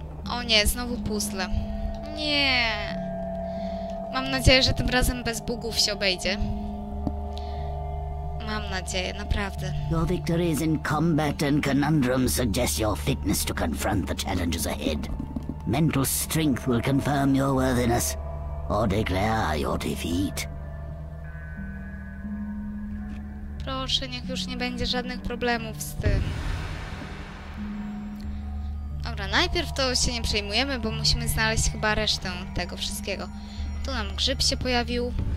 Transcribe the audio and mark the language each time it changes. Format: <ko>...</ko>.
<pl>O nie, znowu puzzle. Nie. Mam nadzieję, że tym razem bez bugów się obejdzie. Mam nadzieję, naprawdę.</pl> <en>Your victories in combat and conundrum suggest your fitness to confront the challenges ahead. Mental strength will confirm your worthiness or declare your defeat.</en> <pl>Proszę, niech już nie będzie żadnych problemów z tym. Dobra, najpierw to się nie przejmujemy, bo musimy znaleźć chyba resztę tego wszystkiego. Tu nam grzyb się pojawił.</pl>